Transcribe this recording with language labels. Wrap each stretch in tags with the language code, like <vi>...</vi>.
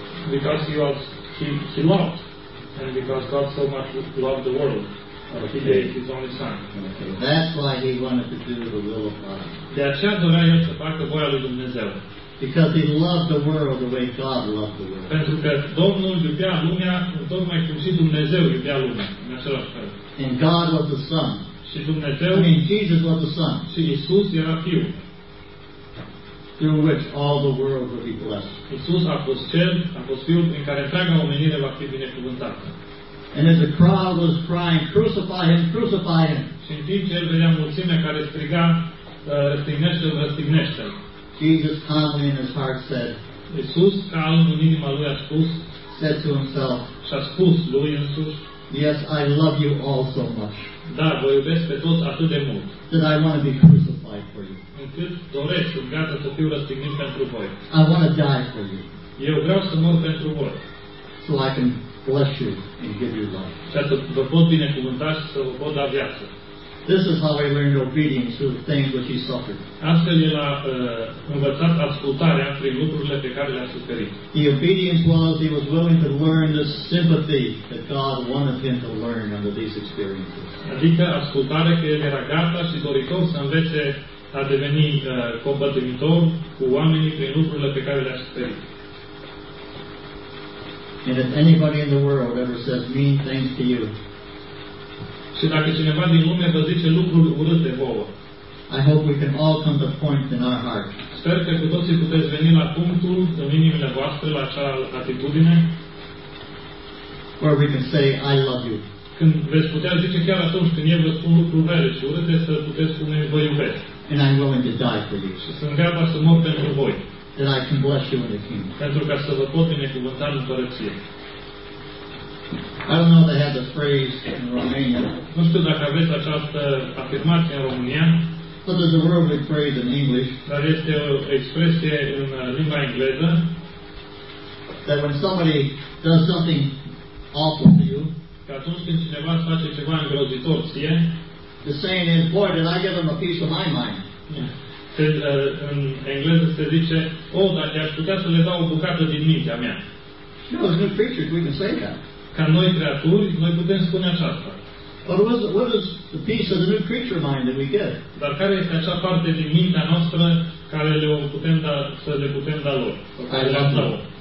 <en>Because he loved, and because God so much loved the world. Okay. He gave his only son. Okay. That's why he wanted to do the will of God.</en> <ro>De aceea dorea el să facă voia lui Dumnezeu.</ro> <en>Because he loved the world the way God loved the world.</en> <ro>Pentru că Domnul iubea lumea, tocmai cum și Dumnezeu iubea lumea, în același fel.</ro> <en>And God was the Son.</en> <ro>Și Dumnezeu,</ro> <en>I mean, Jesus was the Son.</en> <ro>Și Iisus era Fiul.</ro> <en>Through which all the world would be blessed.</en> <ro>Iisus a fost Cel, a fost Fiul prin care întreaga omenire va fi binecuvântată.</ro> <en>And as the crowd was crying, crucify him, crucify him.</en> <ro>Și în timp ce vedea mulțimea care striga, răstignește-l, răstignește-l.</ro> <en>Jesus calmly in his heart said,</en> <ro>Iisus calm în inima lui a spus,</ro> <en>said to himself,</en> <ro>și-a spus lui însuși,</ro> <en>yes, I love you all so much.</en> <ro>Da, vă iubesc pe toți atât de mult.</ro> <en>That I want to be crucified for you.</en> <ro>Încât doresc, sunt gata să fiu răstignit pentru voi.</ro> <en>I want to die for you.</en> <ro>Eu vreau să mor pentru voi.</ro> <en>So I can bless you and give you life.</en> <ro>Și să vă pot binecuvânta și să vă pot da viață.</ro> <en>This is how he learned obedience through the things which he suffered.</en> <ro>Astfel el a învățat ascultarea prin lucrurile pe care le-a suferit.</ro> <en>The obedience was he was willing to learn the sympathy that God wanted him to learn under these experiences.</en> <ro>Adică ascultarea că el era gata și doritor să învețe a deveni compătimitor cu oamenii prin lucrurile pe care le-a suferit.</ro> <en>And if anybody in the world ever says mean things to you,</en> <ro>și dacă cineva din lume vă zice lucruri urâte vouă,</ro> <en>I hope we can all come to a point in our heart.</en> <ro>Sper că cu toții puteți veni la punctul în inimile voastre, la acea atitudine,</ro> <en>where we can say, I love you.</en> <ro>Când veți putea zice chiar atunci când eu vă spun lucruri rele și urâte, să puteți spune, vă iubesc.</ro> <en>And I'm willing to die for you.</en> <ro>Și sunt gata să mor pentru voi.</ro> <en>That I can bless you in the kingdom.</en> <ro>Pentru ca să vă pot binecuvânta în împărăție.</ro> <en>I don't know if they have the phrase in Romania.</en> <ro>Nu știu dacă aveți această afirmație în România.</ro> <en>But there's a worldly phrase in English.</en> <ro>Dar este o expresie în limba engleză.</ro> <en>That when somebody does something awful to you,</en> <ro>că atunci când cineva îți face ceva îngrozitor ție,</ro> <en>the saying is, boy, did I give him a piece of my mind.</en> <ro>În engleză se zice, oh, dar aș putea să le dau o bucată din mintea mea.</ro> <en>You know, as new creatures, we can say that.</en> <ro>Ca noi creaturi, noi putem spune aceasta.</ro> <en>But what is the piece of the new creature mind that we get?</en> <ro>Dar care este acea parte din mintea noastră care le putem da, să le putem da lor?</ro>